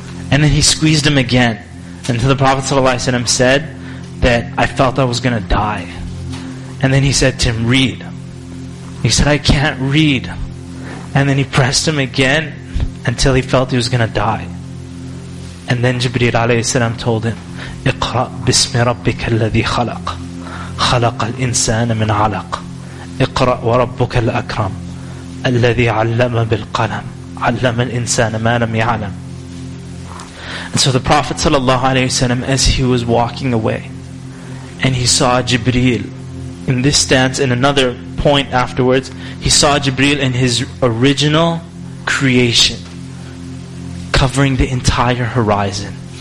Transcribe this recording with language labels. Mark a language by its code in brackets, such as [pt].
[en] And then he squeezed him again. Until the Prophet ﷺ said, that I felt I was going to die. And then he said to him, read. He said, I can't read. And then he pressed him again until he felt he was going to die. And then Jibreel alayhi salam told him, [ar] اقرأ بسم ربك الذي خلق خلق الإنسان من علق اقرأ وربك الأكرم الذي علم بالقلم علم الإنسان ما لم يعلم. [en] And so the Prophet sallallahu alayhi wasallam, as he was walking away and he saw Jibreel in this stance, in another point afterwards he saw Jibreel in his original creation covering the entire horizon.